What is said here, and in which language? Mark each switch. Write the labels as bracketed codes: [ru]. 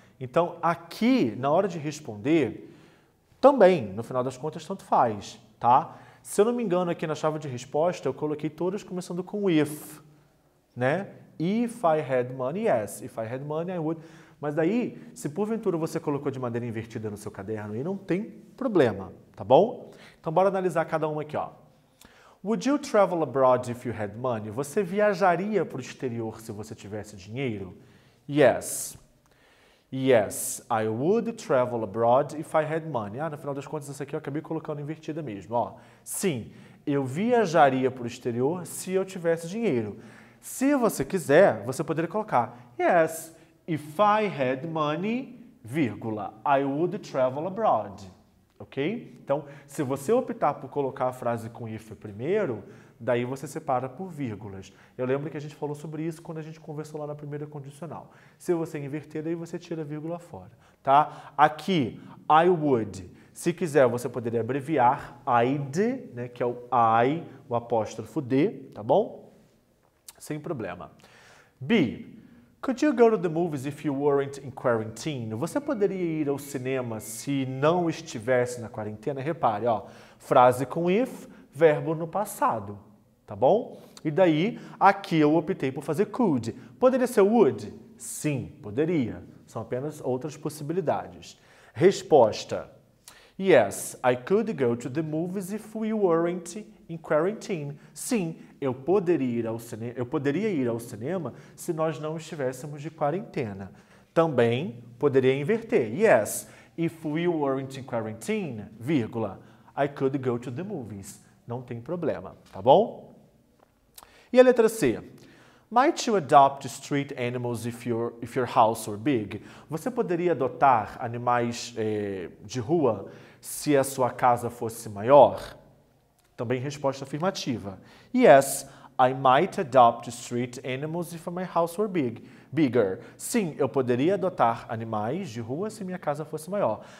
[pt] Então, aqui, na hora de responder, também, no final das contas, tanto faz, tá? Se eu não me engano, aqui na chave de resposta, eu coloquei todas começando com if, né? [en] If I had money, yes. If I had money, I would. [pt] Mas daí, se porventura você colocou de maneira invertida no seu caderno, aí não tem problema, tá bom? Então, bora analisar cada uma aqui, ó. [en] Would you travel abroad if you had money? [pt] Você viajaria para o exterior se você tivesse dinheiro? [en] Yes. Yes, I would travel abroad if I had money. [pt] Ah, no final das contas, essa aqui eu acabei colocando invertida mesmo, ó. Sim, eu viajaria para o exterior se eu tivesse dinheiro. Se você quiser, você poderia colocar [en] Yes, if I had money, vírgula, I would travel abroad. Ok? [pt] Então, se você optar por colocar a frase com if primeiro, daí você separa por vírgulas. Eu lembro que a gente falou sobre isso quando a gente conversou lá na primeira condicional. Se você inverter, daí você tira a vírgula fora, tá? Aqui, [en] I would. [pt] Se quiser, você poderia abreviar I'd, né, que é o I, o apóstrofo D, tá bom? Sem problema. [en] B, could you go to the movies if you weren't in quarantine? [pt] Você poderia ir ao cinema se não estivesse na quarentena? Repare, ó, frase com if, verbo no passado. Tá bom? E daí, aqui eu optei por fazer could. Poderia ser would? Sim, poderia. São apenas outras possibilidades. [en] Resposta: Yes, I could go to the movies if we weren't in quarantine. [pt] Sim, eu poderia ir ao cinema se nós não estivéssemos de quarentena. Também poderia inverter. [en] Yes, if we weren't in quarantine, vírgula, I could go to the movies. [pt] Não tem problema, tá bom? E a letra C. [en] Might you adopt street animals if your house were big? [pt] Você poderia adotar animais de rua se a sua casa fosse maior? Também resposta afirmativa. [en] Yes, I might adopt street animals if my house were bigger. [pt] Sim, eu poderia adotar animais de rua se minha casa fosse maior.